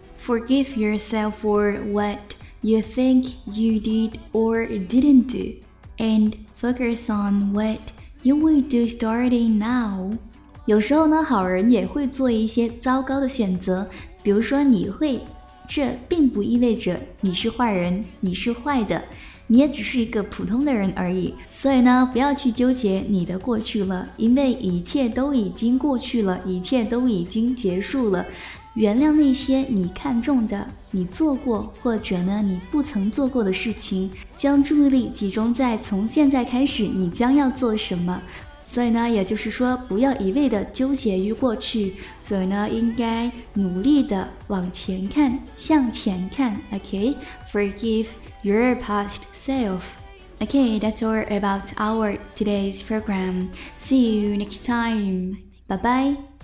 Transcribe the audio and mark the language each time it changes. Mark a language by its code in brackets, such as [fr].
[en] Forgive yourself for what you think you did or didn't do. And focus on what you will do starting now. [zh] 有时候呢，好人也会做一些糟糕的选择，比如说你会这并不意味着你是坏人，你是坏的，你也只是一个普通的人而已。所以呢，不要去纠结你的过去了，因为一切都已经过去了，一切都已经结束了。原谅那些你看中的，你做过或者呢你不曾做过的事情，将注意力集中在从现在开始你将要做什么。所以呢，也就是说不要一味的纠结于过去，所以呢应该努力的往前看，向前看。 [en] OK, forgive your past self. OK, that's all about our today's program. See you next time. Bye bye.